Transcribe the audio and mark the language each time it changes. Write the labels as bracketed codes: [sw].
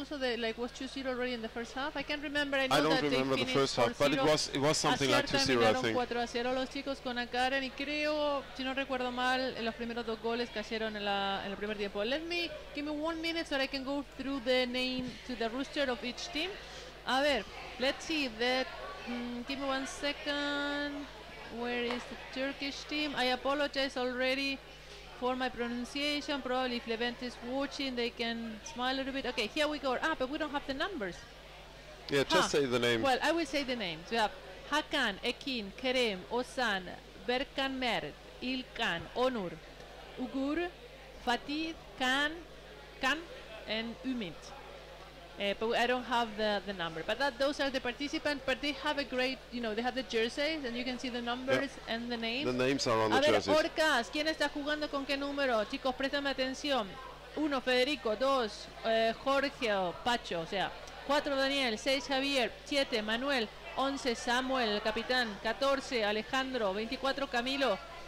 [en] Also, they like was 2-0 already in the first half. I can't remember. I don't remember the first half, but it was something like 2-0, I think. [es] 4-0 los chicos con Akaren, y creo, si no recuerdo mal, en los primeros dos goles cayeron en el primer tiempo. [en] Give me 1 minute so I can go through the name to the roster of each team. [es] A ver, [en] let's see that. Give me 1 second. Where is the Turkish team? I apologize already for my pronunciation. Probably if Levent is watching, they can smile a little bit. Okay, here we go. Ah, but we don't have the numbers. Yeah, just say the names. Well, I will say the names. We have Hakan, Ekin, Kerem, Osan, Berkan Mert, Ilkan, Onur, Ugur, Fatih, Kan, and Ümit. But I don't have the number. But those are the participants. But they have a great, you know, they have the jerseys, and you can see the numbers and the names. The names are on a the jerseys. [es] A ver, Orcas, ¿quién está jugando con qué número? Chicos, préstame atención. 1, Federico. 2, Jorge o Pacho. O sea, 4, Daniel. 6, Javier. 7, Manuel. 11, Samuel, el capitán. 14, Alejandro. 24, Camilo.